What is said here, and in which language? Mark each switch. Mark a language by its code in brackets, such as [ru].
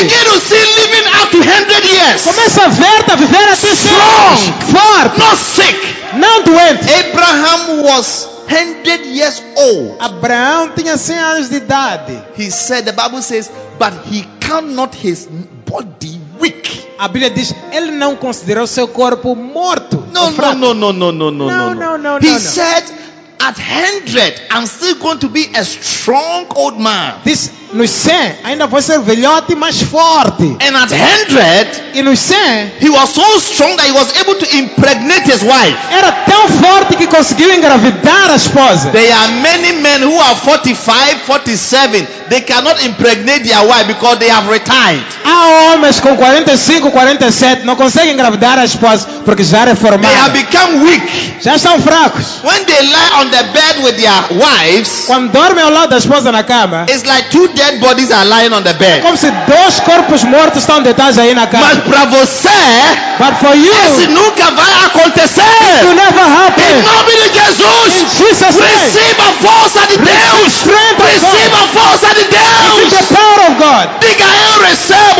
[en] Begin to see living up to 100 years. [pt] Começa a ver a viver até [en] strong, [pt] forte. [en] Not sick. [pt] Não doente. [en] Abraham was 100 years old. [pt] Abraão tinha 100 anos de idade. [en] He said, the Bible says, but he cannot his body weak. [pt] A Bíblia diz, ele não considerou seu corpo morto. [en] No. He said, at 100, I'm still going to be a strong old man. [pt] This nos 100, ainda vou ser velhote mais forte. [en] And at 100, [pt] e nos 100, [en] he was so strong that he was able to impregnate his wife. [pt] Era tão forte que conseguiu engravidar a esposa. [en] There are many men who are 45, 47, they cannot impregnate their wife because they have retired. [pt] Há homens com 45, 47 não conseguem engravidar a esposa porque já reformaram. [en] They have become weak. [pt] Já estão fracos. [en] When they lie on the bed with their wives, [pt] quando dormem ao lado da esposa na cama, [en] it's like two dead bodies are lying on the bed. [pt] Como se dois corpos mortos estão deitados aí na cama. Mas para você, [en] but for you, [pt] isso nunca vai acontecer. [en] It will never happen. [pt] Em nome de Jesus, [en] in Jesus name, [pt] receba a força de Deus. Receba a força de Deus. [en] It is the power of God. [pt] Diga eu recebo.